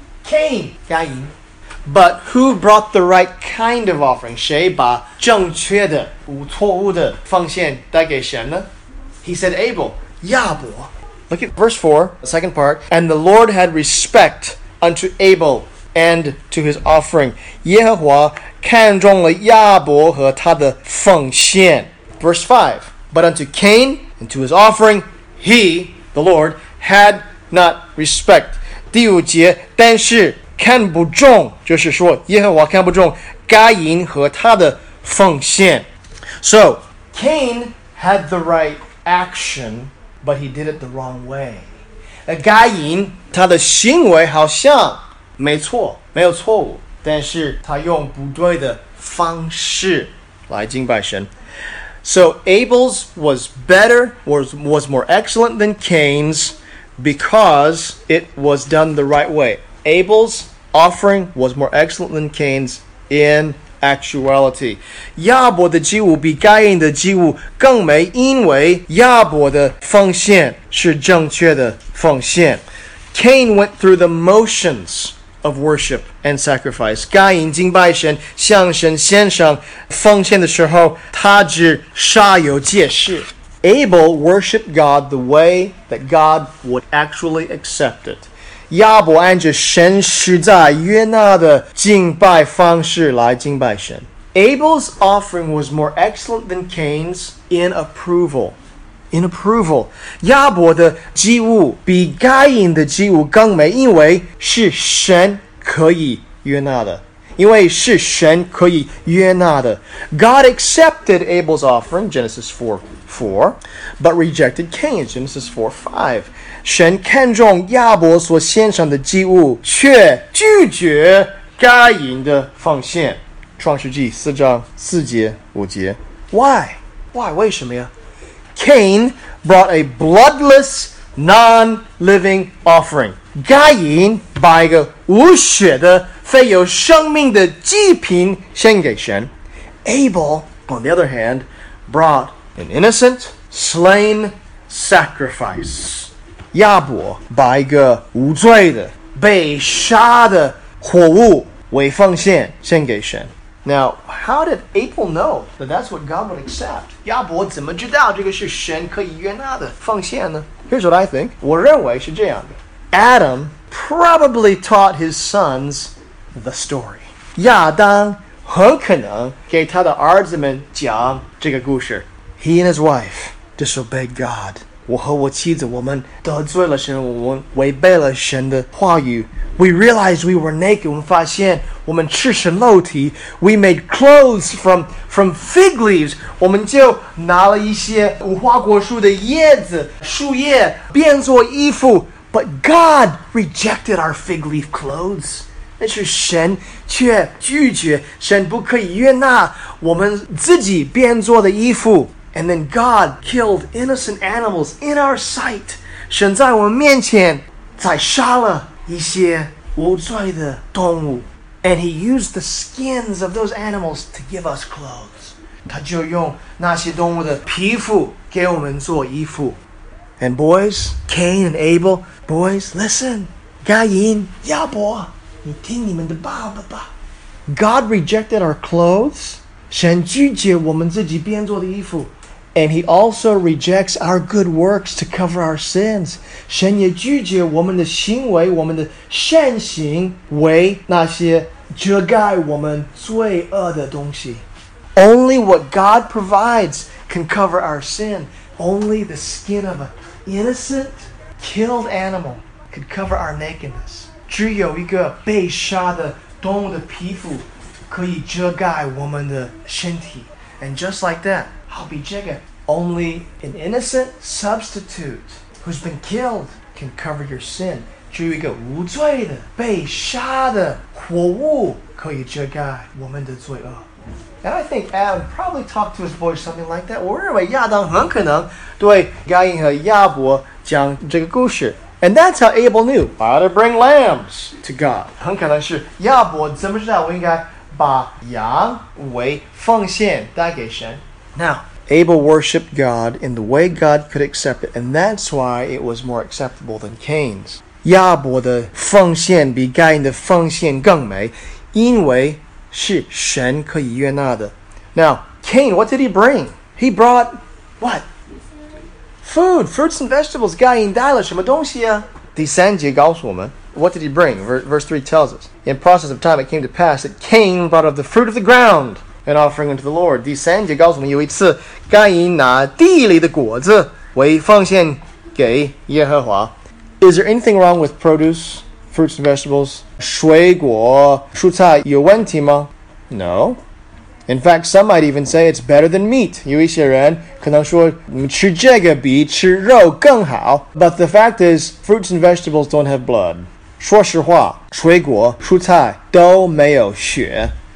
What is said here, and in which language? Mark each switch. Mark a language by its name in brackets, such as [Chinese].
[English] Cain, but who brought the right kind of offering? [Chinese] 谁把正确的、无错误的奉献带给神呢？ [English] He said Abel, 亚伯。Look at verse 4, the second part. And the Lord had respect unto Abel and to his offering. [Chinese] 耶和华看中了亚伯和他的奉献。 [English] Verse 5, but unto Cain and to his offering, he, the Lord, had not respect. [Chinese] 第五节，但是看不中，就是说耶和华看不中该隐和他的奉献。 [English] So, Cain had the right action, but he did it the wrong way. [Chinese] 该隐他的行为好像没错，没有错误，但是他用不对的方式来敬拜神。 [English] So, Abel's was better, was more excellent than Cain's. Because it was done the right way. Abel's offering was more excellent than Cain's in actuality. [Chinese] 亚伯的祭物比该隐的祭物更美，因为亚伯的奉献是正确的奉献。 [English] Cain went through the motions of worship and sacrifice. [Chinese] 该隐敬拜神，向神献上奉献的时候，他只煞有介事。 [English] Abel worshipped God the way that God would actually accept it. [Chinese] 亚伯按着神实在悦纳的敬拜方式来敬拜神。 [English] Abel's offering was more excellent than Cain's in approval. In approval. [Chinese] 亚伯的祭物比该隐的祭物更美，因为是神可以悦纳的。因为是神可以悦纳的。 [English] God accepted Abel's offering, Genesis 4:4, but rejected Cain, Genesis 4:5. [Chinese] 神看中亚伯所献上的祭物，却拒绝该隐的奉献。创世纪四章四节五节。 [English] Why? Why? [Chinese] 为什么呀？ [English] Cain brought a bloodless, non-living offering. [Chinese] 该隐把一个无血的非有生命的祭品献给神。 [English] Abel, on the other hand, brought an innocent, slain sacrifice. [Chinese] 亚伯把一个无罪的、被杀的活物为奉献献给神。 [English] Now, how did Abel know that that's what God would accept? [Chinese] 亚伯怎么知道这个是神可以悦纳的奉献呢？ [English] Here's what I think. [Chinese] 我认为是这样的。 [English] Adam probably taught his sons the story. [Chinese] 亚当很可能给他的儿子们讲这个故事。 [English] He and his wife disobeyed God. [Chinese] 我和我妻子，我们得罪了神，我们违背了神的话语。 [English] We realized we were naked. [Chinese] 我们发现我们赤身露体。 [English] We made clothes from fig leaves. [Chinese] 我们就拿了一些无花果树的叶子、树叶变做衣服。 [English] But God rejected our fig leaf clothes. [Chinese] 但是神却拒绝，神不可以悦纳我们自己变做的衣服。 [English] And then God killed innocent animals in our sight. [Chinese] 神在我们面前宰杀了一些无罪的动物。 [English] And he used the skins of those animals to give us clothes. [Chinese] 他就用那些动物的皮肤给我们做衣服。 [English] And boys, Cain and Abel, boys, listen. [Chinese] 该隐、亚伯，你听你们的爸爸吧。 [English] God rejected our clothes. [Chinese] 神拒绝我们自己变做的衣服 [English] And he also rejects our good works to cover our sins [Chinese] 神也拒绝我们的行为我们的善行为那些遮盖我们罪恶的东西 [English] Only what God provides can cover our sin Only the skin of an innocent killed animal could cover our nakedness [Chinese] 只有一个被杀的动物的皮肤可以遮盖我们的身体 [English] And just like that, I'll be jigger. Only an innocent substitute who's been killed can cover your sin. [Chinese] 只有一个无罪的、被杀的活物可以遮盖我们的罪恶。 [English] And I think Adam probably talked to his boys something like that. [Chinese] 我认为亚当很可能对该隐和亚伯讲这个故事。 [English] And that's how Abel knew how to bring lambs to God. [Chinese] 很可能是亚伯怎么知道我应该把羊为奉献带给神。 [English] Now, Abel worshipped God in the way God could accept it, and that's why it was more acceptable than Cain's. [Chinese] 亚伯的奉献比该隐的奉献更美，因为是神可以悦纳的。 [English] Now, Cain, what did he bring? He brought what? Food, fruits and vegetables. [Chinese] 该隐带了什么东西啊？第三节告诉我们。 [English] What did he bring? Verse 3 tells us. In process of time, it came to pass that Cain brought of the fruit of the ground an offering unto the Lord. [Chinese] 第三节告诉我们有一次该隐拿地里的果子为奉献给耶和华。 [English] Is there anything wrong with produce, fruits and vegetables? [Chinese] 水果、蔬菜有问题吗? [English] No. In fact, some might even say it's better than meat. [Chinese] 有一些人可能说吃这个比吃肉更好。 [English] But the fact is, fruits and vegetables don't have blood. [Chinese] 说实话，水果、蔬菜都没有血。